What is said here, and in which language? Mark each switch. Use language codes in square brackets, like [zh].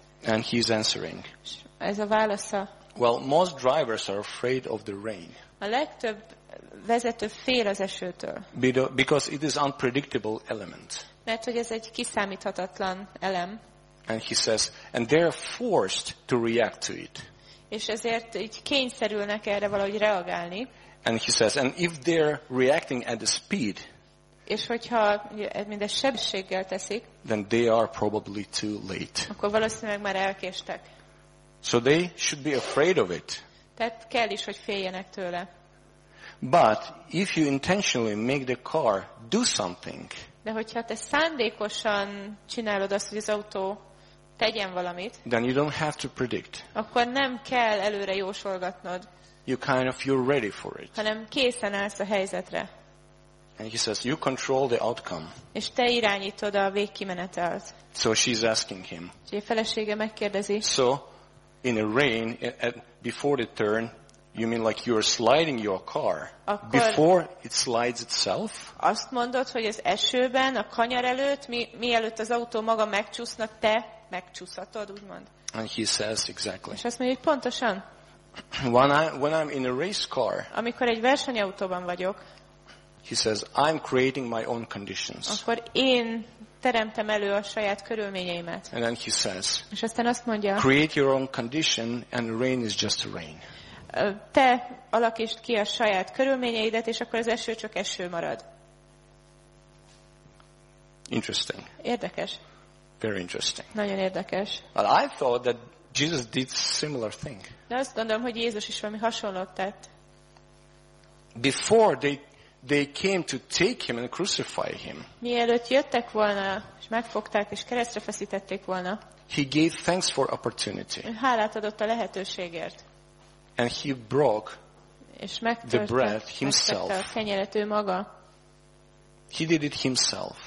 [en] And he's answering. [hu] Ez a válasza. [en] Well, most drivers are afraid of the rain. [hu] A legtöbb vezető fél az esőtől. [en] Because it is unpredictable element. [hu] Mert hogy ez egy kiszámíthatatlan elem. [en] And he says, and they are forced to react to it. [hu] És ezért így kényszerülnek erre valahogy reagálni. [en] And he says, and if they're reacting at the speed. [hu] És hogyha mindez sebességgel teszik. [en] Then they are probably too late. [hu] Akkor valószínűleg már elkéstek. [en] So they should be afraid of it. [hu] Tehát kell is, hogy féljenek tőle. [en] But if you intentionally make the car do something. [hu] De hogyha te szándékosan csinálod azt, hogy az autó tegyen valamit, [en] then you don't have to predict. [hu] Akkor nem kell előre jósolgatnod. [en] You kind of you're ready for it. [hu] Hanem készen állsz a helyzetre. [en] And he says, you control the outcome. [hu] És te irányítod a végkimenetelt. [en] So she's asking him. [hu] És a felesége megkérdezi. [en] So in a rain before the turn. You mean like you're sliding your car [hu] akkor [en] before it slides itself? [hu] Azt mondod, hogy az esőben, a kanyar előtt, mielőtt az autó maga megcsúszna, te megcsúszhatod, úgymond. [en] And he says exactly. [hu] És azt mondja, hogy pontosan. [en] When I'm in a race car. [hu] Amikor egy versenyautóban vagyok. [en] He says I'm creating my own conditions. [hu] Akkor én teremtem elő a saját körülményeimet. [en] And then he says. [hu] És aztán azt mondja. [en] Create your own condition and rain is just a rain. [hu] Te alakítsd ki a saját körülményeidet, és akkor az eső csak eső marad. [en] Interesting. [hu] Érdekes. [en] Very interesting. [hu] Nagyon érdekes. [en] Well, I thought that Jesus did similar thing. [hu] De azt gondolom, hogy Jézus is valami hasonlót tett. [en] Before they came to take him and crucify him. [hu] Mielőtt jöttek volna, és megfogták, és keresztre feszítették volna. [en] He gave thanks for opportunity. [hu] Hálát adott a lehetőségért. [en] And he broke the bread himself. [hu] Megtörte a kenyeret ő maga. [en] He did it himself.